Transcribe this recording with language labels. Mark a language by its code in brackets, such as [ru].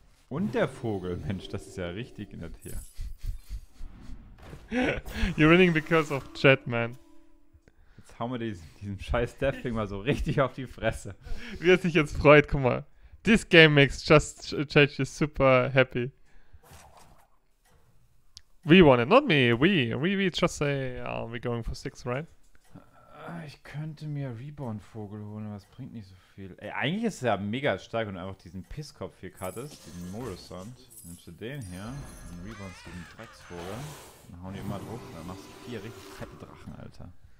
[de] Und der Vogel, Mensch, das ist ja richtig nett hier. [en] You're winning because of chat, man. [de] Jetzt hauen wir diesen scheiß Deathwing mal so richtig auf die Fresse. Wie er sich jetzt freut, guck mal. [en] This game makes just chat is super happy. We won it, not me, we just say, we're going for 6, right? [de] Ich könnte mir Reborn-Vogel holen, aber es bringt nicht so viel. Ey, eigentlich ist es ja mega stark, wenn du einfach diesen Pisskopf hier cuttest, diesen Morrisond. Nimmst du den hier, den Reborn zu dem Drecksvogel, dann hauen die immer drauf, dann machst du 4 richtig fette Drachen, Alter.